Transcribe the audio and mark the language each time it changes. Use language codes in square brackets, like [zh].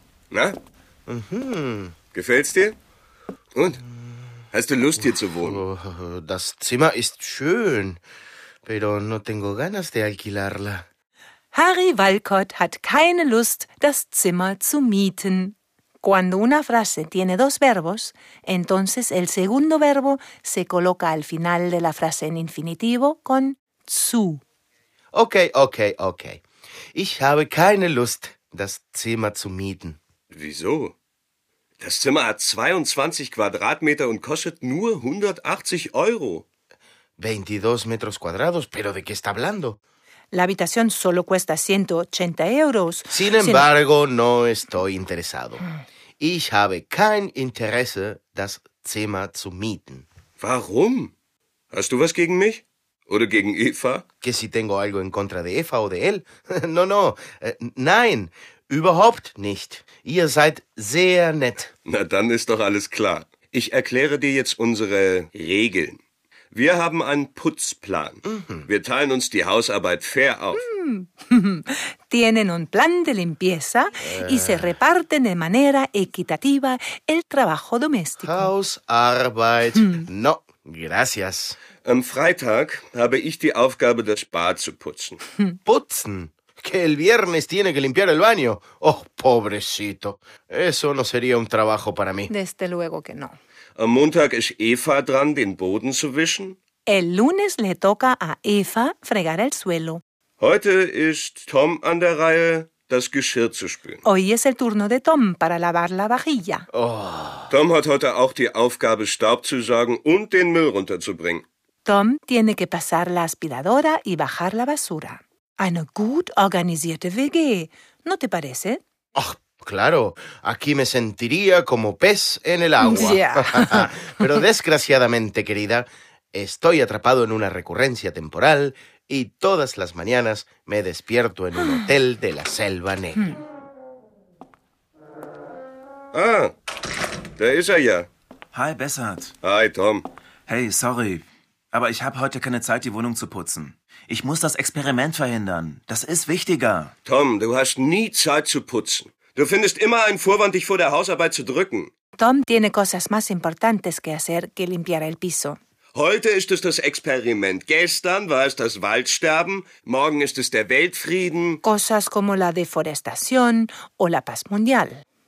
[de] Na? Mhm. Gefällt's dir? Und? Hast du Lust, hier zu wohnen? Das Zimmer ist schön, [es] pero no tengo ganas de alquilarla. [de] Harry Walcott hat keine Lust, das Zimmer zu mieten. [es] Cuando una frase tiene dos verbos, entonces el segundo verbo se coloca al final de la frase en infinitivo con zu. [en] Okay, okay, okay. [de] Ich habe keine Lust, das Zimmer zu mieten. Wieso? Das Zimmer hat 22 Quadratmeter und kostet nur 180 Euro. [es] 22 metros cuadrados, pero de qué está hablando? La habitación solo cuesta 180 euros. Sin embargo, no estoy interesado. [de] Ich habe kein Interesse, das Zimmer zu mieten. Warum? ¿Hast du was gegen mich? ¿Oder gegen Eva? [es] ¿Que si tengo algo en contra de Eva o de él? No, no. [de] Nein, überhaupt nicht. Ihr seid sehr nett. Na, dann ist doch alles klar. Ich erkläre dir jetzt unsere Regeln. Wir haben einen Putzplan. Wir teilen uns die Hausarbeit fair auf. [es] Tienen un plan de limpieza y se reparten de manera equitativa el trabajo doméstico. Hausarbeit. No, gracias. [de] Am Freitag habe ich die Aufgabe, das Bad zu putzen. Putzen? [es] Que el viernes tiene que limpiar el baño. Oh, pobrecito. Eso no sería un trabajo para mí. Desde luego que no. [de] Am Montag ist Eva dran, den Boden zu wischen. [es] El lunes le toca a Eva fregar el suelo. [de] Heute ist Tom an der Reihe, das Geschirr zu spülen. [es] Hoy es el turno de Tom para lavar la vajilla. Oh. [de] Tom hat heute auch die Aufgabe, Staub zu saugen und den Müll runterzubringen. [es] Tom tiene que pasar la aspiradora y bajar la basura. [de] Eine gut organisierte WG, [es] ¿no te parece? Ach, claro. Aquí me sentiría como pez en el agua. [en] Yeah. [es] Pero desgraciadamente, querida, estoy atrapado en una recurrencia temporal y todas las mañanas me despierto en un hotel de la Selva Negra. [de] Ah, da ist er ja. Hi, Bessert. Hi, Tom. Hey, sorry. Aber ich habe heute keine Zeit, die Wohnung zu putzen. Ich muss das Experiment verhindern. Das ist wichtiger. Tom, du hast nie Zeit zu putzen. Du findest immer einen Vorwand, dich vor der Hausarbeit zu drücken. [es] Tom tiene cosas más importantes que hacer que limpiar el piso. [de] Heute ist es das Experiment. Gestern war es das Waldsterben. Morgen ist es der Weltfrieden. [es] Cosas como la deforestación o la paz mundial.